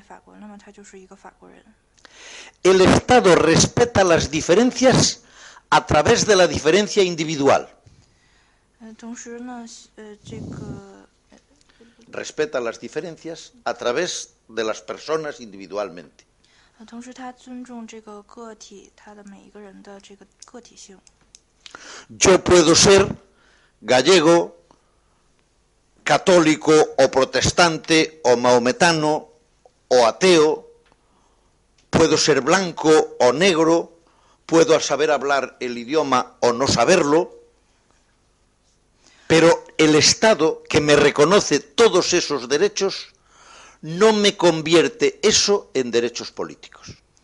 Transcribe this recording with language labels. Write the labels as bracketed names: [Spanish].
[Chinese] 就像法国以前一位那个革命家他说的话一样，就是说，如果一个人居住在法国，那么他就是一个法国人。 [Spanish] El Estado respeta las diferencias a través de la diferencia individual. [Chinese] 同时呢，这个 [Spanish] respeta las diferencias a través de las personas individualmente. [Chinese] 同时，他尊重这个个体，他的每一个人的这个个体性。 [Spanish] Yo puedo ser gallego, católico o protestante o mahometano o ateo, puedo ser blanco o negro, puedo saber hablar el idioma o no saberlo, pero el Estado que me reconoce todos esos derechos no me convierte eso en derechos políticos.